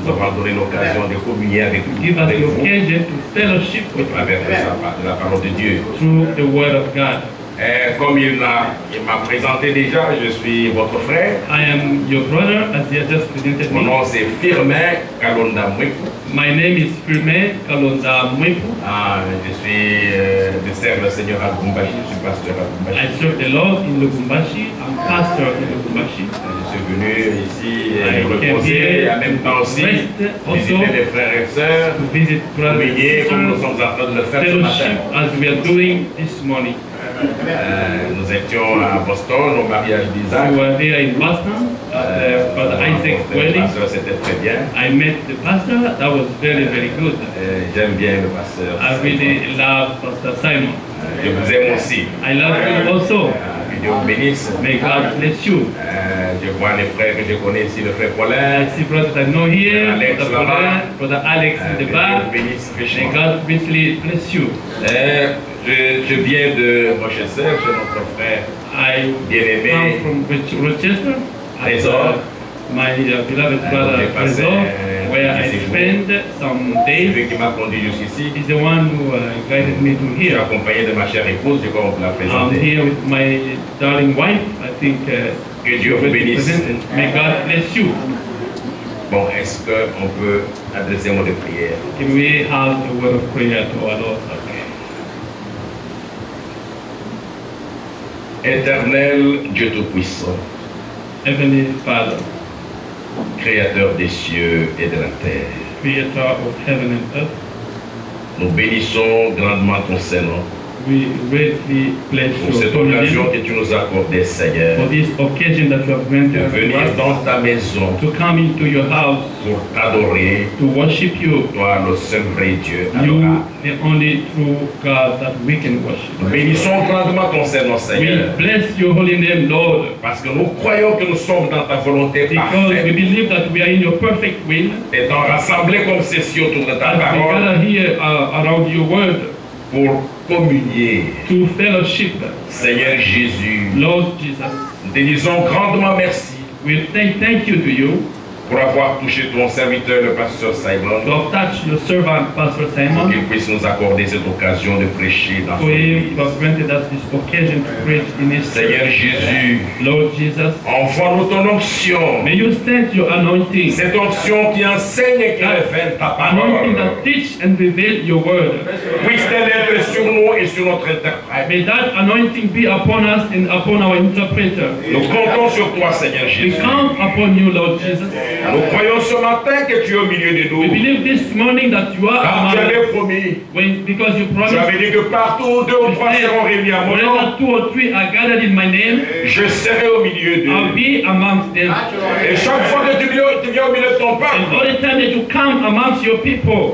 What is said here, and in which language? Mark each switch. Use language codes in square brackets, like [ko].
[fr] Nous avoir donné l'occasion de communier avec vous. [en] Give us the occasion to fellowship with [fr] you. Avec la parole de Dieu. [en] Through the word of God. [fr] Et comme il m'a présenté déjà, je suis votre frère. [en] I am your brother, as he has just presented [fr] Mon nom c'est Firmin Kalonda Mwepu. [en] My name is Firmin Kalonda Mwepu. [fr] Je suis je serve le Seigneur à Lubumbashi. Je suis pasteur à Lubumbashi. [en] I serve the Lord in Lubumbashi. I'm pastor in Lubumbashi. [fr] Je suis venu ici reposer et en même temps aussi visiter les frères et sœurs, [en] to visit brothers and sisters, [fr] comme nous sommes en train de le faire ce matin, [en] as we are doing this morning. [fr] Nous étions à Boston au mariage d'Isaac. [en] We were there in Boston at the Isaac's wedding. [fr] Le pasteur, c'était très bien. [en] I met the pastor. That was very, very good. [fr] J'aime bien le pasteur. [en] I really love Pastor Simon. [fr] Je vous aime aussi. [en] I love you also. [fr] Que Dieu vous bénisse. [en] May God bless you. [fr] Je vois les frères que je connais ici, le frère Paulin. [en] I see brother that I know here, Alex brother [fr] Paulin, là-bas. [en] Brother Alex in the back. [fr] Bénisse, [en] God richly bless you. [fr] Je viens de Rochester, chez notre frère bien-aimé. [en] I come from Rochester. [fr] Trésor. [en] My beloved brother Trésor, where I spent some days. [fr] C'est lui qui m'a conduit jusqu'ici. [en] He's the one who guided me to here. [fr] Je suis accompagné de ma chère épouse, je crois la présenter. [en] I'm here with my darling wife. I think [fr] que Dieu vous bénisse. [en] May God bless you. [fr] Bon, est-ce qu'on peut adresser un mot de prière? [en] Can we have a word of prayer to our Lord? [fr] Éternel Dieu Tout-Puissant, [en] Heavenly Father, [fr] Créateur des cieux et de la terre, [en] Creator of heaven and earth, [fr] nous bénissons grandement ton Saint-Nom, [en] we greatly bless [fr] pour cette occasion que tu nous accordes, Seigneur, [en] for this occasion that you have granted [fr] de venir [en] us, [fr] dans ta maison, [en] to come into your house, [fr] pour t'adorer, [en] to worship you, [fr] toi le seul vrai Dieu, [en] you, the only true God that we can worship. [fr] Nous bénissons grandement ton Saint-Nom, Seigneur. [en] We bless your holy name, Lord, [fr] parce que nous croyons que nous sommes dans ta volonté parfaite. [en] Because we believe that we are in your perfect will. [fr] Étant rassemblés comme ceci autour de ta parole. [en] We gather here around your word. [fr] Pour communier, [en] to fellowship, [fr] Seigneur Jésus, [en] Lord Jesus, [fr] nous te disons grandement merci. [en] We thank you to you [fr] pour avoir touché ton serviteur le pasteur Simon. [en] To have touched your servant Pastor Simon, [fr] pour qu'il puisse nous accorder cette occasion de prêcher dans son église. [en] Have granted us this occasion to preach in his [fr] Seigneur church. Jésus, [en] Lord Jesus, [fr] envoie-nous ton onction. [en] May you send your anointing. [fr] Cette onction qui enseigne et qui révèle ta parole. [en] Anointing that teach and reveal your word. [fr] Puisse-t-elle être sur nous et sur notre interprète. [en] May that anointing be upon us and upon our interpreter. [fr] Nous comptons sur toi, Seigneur Jésus. [en] We count upon you, Lord Jesus. [fr] Nous croyons ce matin que tu es au milieu de nous. [en] We believe this morning that you are. [fr] Car tu avais promis. [en] When, because you promised. [fr] Tu avais dit que partout où deux ou trois seront réunis à mon nom. [en] Wherever two or three are gathered in my name. [fr] Je serai au milieu d'eux. [en] I'll be amongst them. [fr] Et chaque fois que tu viens au milieu de ton peuple. [en] And all the time that you come amongst your people.